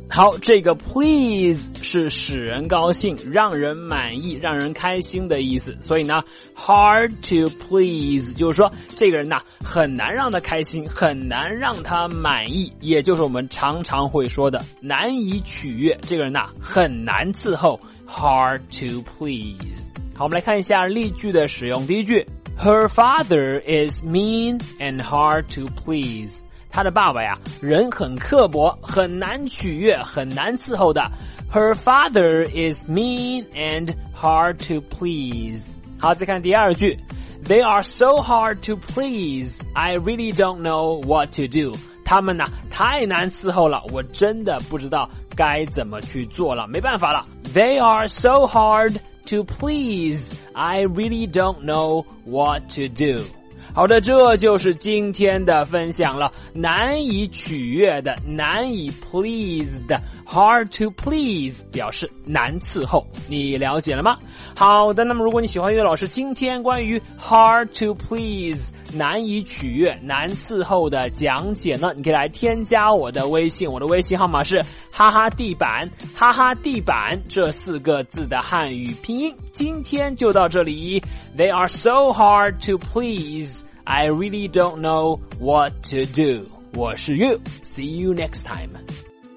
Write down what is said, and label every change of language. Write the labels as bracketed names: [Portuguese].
[Chinese] 好，这个 please 是使人高兴，让人满意，让人开心的意思，所以呢 [English] Hard to please [Chinese] 就是说这个人呢很难让他开心，很难让他满意，也就是我们常常会说的难以取悦，这个人呢很难伺候， Hard to please。好，我们来看一下例句的使用。 [English] 第一句， Her father is mean and hard to please。 [Chinese] 他的爸爸呀人很刻薄，很难取悦，很难伺候的。 [English] Her father is mean and hard to please。好，再看第二句， They are so hard to please, I really don't know what to do。 [Chinese] 他们呢太难伺候了，我真的不知道该怎么去做了，没办法了。 [English] They are so hard to please, I really don't know what to do。 [Chinese] 好的，这就是今天的分享了，难以取悦的，难以 please 的， [English] hard to please [Chinese] 表示难伺候，你了解了吗？好的，那么如果你喜欢岳老师今天关于 [English] hard to please [Chinese] 难以取悦难伺候的讲解呢，你可以来添加我的微信，我的微信号码是哈哈地板，哈哈地板这四个字的汉语拼音。今天就到这里， [English] They are so hard to please, I really don't know what to do。 [Chinese] 我是 [English] You, See you next time。